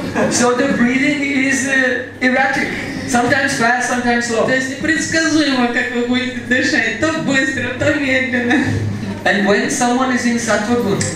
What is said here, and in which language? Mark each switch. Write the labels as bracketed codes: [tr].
[en] So the breathing is erratic. Sometimes fast, sometimes slow. [ru] То есть непредсказуемо, как вы будете дышать, то быстро, то медленно. [en] And when someone is in сатвагун,